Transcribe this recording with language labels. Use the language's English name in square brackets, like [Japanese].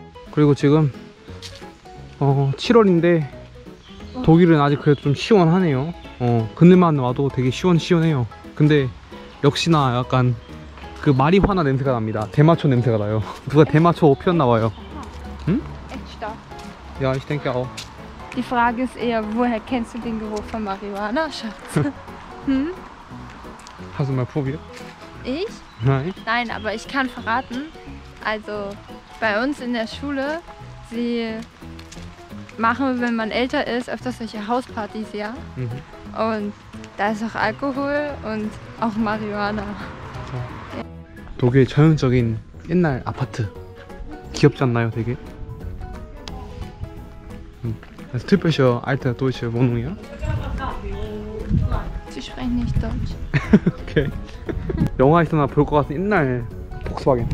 [Korean] 그리고 지금 7월인데 독일은 아직 그래도 좀 시원하네요. 그늘만 와도 되게 시원시원해요. 근데 역시나 약간 그 마리화나 냄새가 납니다. 대마초 냄새가 나요. 누가 대마초 피웠나 봐요. 응? [German] Echt stark. Ja, ich denke auch. Die Frage ist eher, woher kennst du den Geruch von Marihuana, Schatz? Hast du mal probiert? Ich? Nein. Nein, aber ich kann verraten. Also bei uns in der Schule, sie machen, wenn man älter ist, öfter solche Hauspartys, ja. Und da ist auch Alkohol und auch Marihuana. [Korean] 독일 전형적인 옛날 아파트 귀엽지 않나요? 되게 [German] Das typische alte deutsche Wohnung, ja? Sie sprechen nicht Deutsch. Okay. [Korean] 영화에서나 볼 것 같은 옛날 폭스바겐.